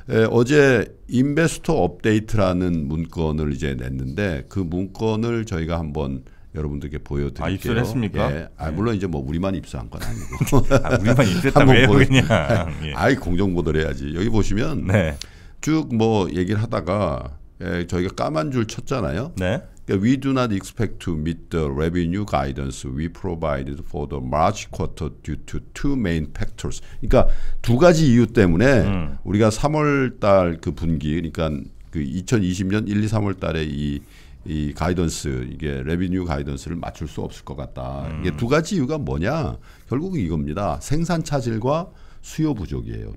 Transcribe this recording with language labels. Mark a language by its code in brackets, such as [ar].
[ko] 어제 인베스터 업데이트라는 문건을 이제 냈는데 그 문건을 저희가 한번 여러분들께 보여드릴게요. 아, 입수를 했습니까? 예. 아, 물론 이제 뭐 우리만 입수한 건 아니고 아, 우리만 입수했다고 해요 그냥. 아이 공정보도를 해야지. 여기 보시면 네. 쭉 뭐 얘기를 하다가 저희가 까만 줄 쳤잖아요. 네. [en] We do not expect to meet the revenue guidance we provided for the March quarter due to two main factors. [ko] 그러니까 두 가지 이유 때문에 우리가 3월 달 그 분기 그러니까 그 2020년 1, 2, 3월 달에 이 가이던스 이게 레비뉴 가이던스를 맞출 수 없을 것 같다. 이게 두 가지 이유가 뭐냐? 결국 이겁니다. 생산 차질과 수요 부족이에요.